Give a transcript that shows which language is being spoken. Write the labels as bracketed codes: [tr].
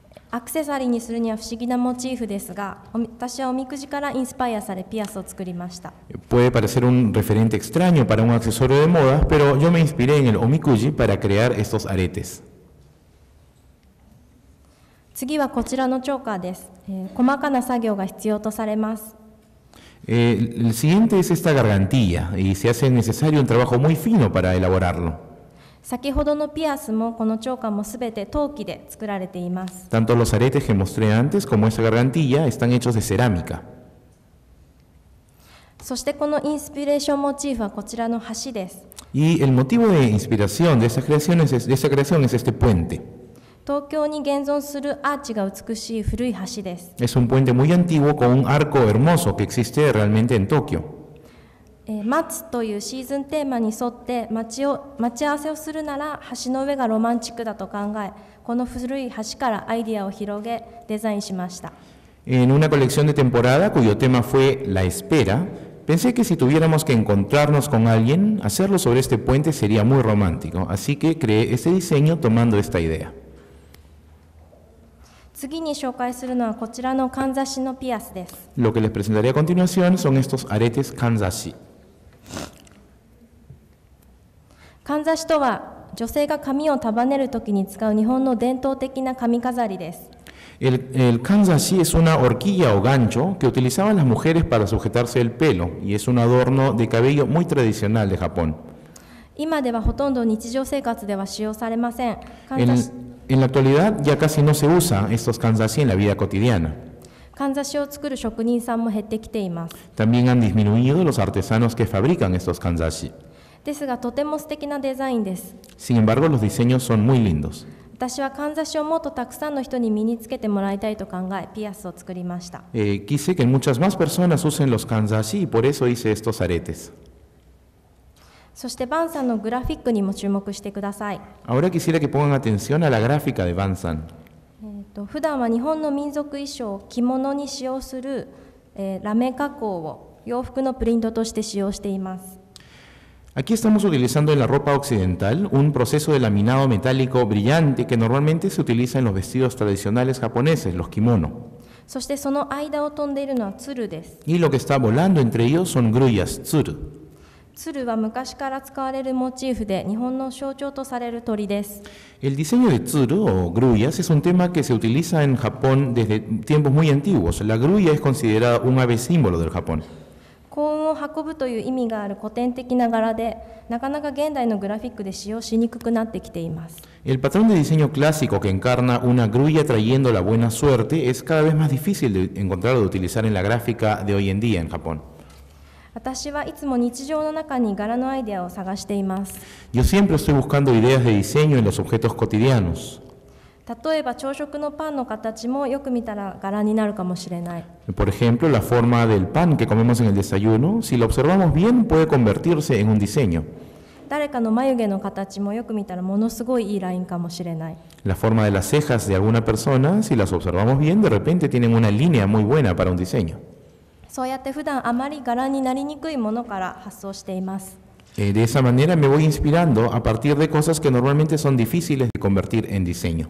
[ja] アクセサリーにするには不思議なモチーフですが、私はおみくじからインスパイアされピアスを作りました。 [es] Puede parecer un referente extraño para un accesorio de moda, pero yo me inspiré en el omikuji para crear estos aretes. [ja] 次はこちらのチョーカーです。細かな作業が必要とされます。 [es] El siguiente es esta gargantilla y se hace necesario un trabajo muy fino para elaborarlo. [ja] 先ほどのピアスもこのチョーカーもすべて陶器で作られています。 [es] Tanto los aretes que mostré antes como esa gargantilla están hechos de cerámica. [ja] そしてこのインスピレーションモチーフはこちらの橋です。 [es] Y el motivo de inspiración de esa creación es este puente. [ja] 東京に現存するアーチが美しい古い橋です。 [es] Es un puente muy antiguo con un arco hermoso que existe realmente en Tokio. [ja] 待つというシーズンテーマに沿って待ち合わせをするなら橋の上がロマンチックだと考え、この古い橋からアイデアを広げデザインしました。 [es] En una colección de temporada cuyo tema fue la espera, pensé que si tuviéramos que encontrarnos con alguien, hacerlo sobre este puente sería muy romántico. Así que creé este diseño tomando esta idea. [ja] 次に紹介するのはこちらのかんざしのピアスです。 [es] Lo que les presentaré a continuación son estos aretes kanzashi。 [ja] かんざしとは女性が髪を束ねるときに使う日本の伝統的な髪飾りです。 [es] El kanzashi es una horquilla o gancho que utilizaban las mujeres para sujetarse el pelo y es un adorno de cabello muy tradicional de Japón。 [ja] 今ではほとんど日常生活では使用されません。 [es] En la actualidad ya casi no se usa estos kanzashi en la vida cotidiana。 [ja] かんざしを作る職人さんも減ってきています。 [es] También han disminuido los artesanos que fabrican estos kanzashi。 [ja] ですがとても素敵なデザインです。 [es] Sin embargo, los diseños son muy lindos。 [ja] 私はかんざしをもっとたくさんの人に身につけてもらいたいと考え、ピアスを作りました。 [es] Quise que muchas más personas usen los kanzashi y por eso hice estos aretes。 [ja] そしてバンさんのグラフィックにも注目してください。 [es] Ahora quisiera que pongan atención a la gráfica de Van さん。 [ja] 普段は日本の民族衣装を着物に使用する、ラメ加工を洋服のプリントとして使用しています。 [es] Aquí estamos utilizando en la ropa occidental un proceso de laminado metálico brillante que normalmente se utiliza en los vestidos tradicionales japoneses, los kimono. [ja] そしてその間を飛んでいるのはツルです。 [es] Y lo que está volando entre ellos son grullas, tsuru. [ja] ツルは昔から使われるモチーフで日本の象徴とされる鳥です。 [es] El diseño de tsuru o grullas es un tema que se utiliza en Japón desde tiempos muy antiguos. La grulla es considerada un ave símbolo del Japón. [ja] 幸運を運ぶという意味がある古典的な柄で、なかなか現代のグラフィックで使用しにくくなってきています。 [es] El patrón de diseño clásico que encarna una grulla trayendo la buena suerte es cada vez más difícil de encontrar o de utilizar en la gráfica de hoy en día en Japón。 [ja] 私はいつも日常の中に柄のアイデアを探しています。 [es] Yo siempre estoy buscando ideas de diseño en los objetos cotidianos。 [ja] 例えば朝食のパンの形もよく見たら柄になるかもしれない。 [es] Por ejemplo, la forma del pan que comemos en el desayuno, si lo observamos bien, puede convertirse en un diseño. [ja] 誰かの眉毛の形もよく見たらものすごいいいラインかもしれない。 [es] La forma de las cejas de alguna persona, si las observamos bien, de repente tienen una línea muy buena para un diseño. [ja] そうやって普段あまり柄になりにくいものから発想しています。 [es] De esa manera me voy inspirando a partir de cosas que normalmente son difíciles de convertir en diseño.